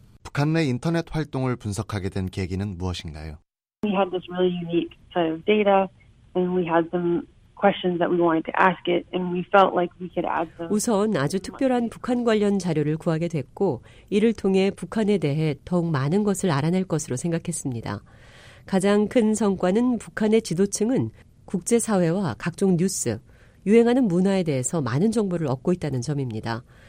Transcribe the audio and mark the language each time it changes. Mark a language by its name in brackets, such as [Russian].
[Korean] 북한 내 인터넷 활동을 분석하게 된 계기는 무엇인가요? [English] We had this really unique set of data and we had some questions that we wanted to ask it and we felt like we could add them. [Korean] 우선 아주 특별한 북한 관련 자료를 구하게 됐고 이를 통해 북한에 대해 더욱 많은 것을 알아낼 것으로 생각했습니다. 가장 큰 성과는 북한의 지도층은 국제 사회와 각종 뉴스, 유행하는 문화에 대해서 많은 정보를 얻고 있다는 점입니다.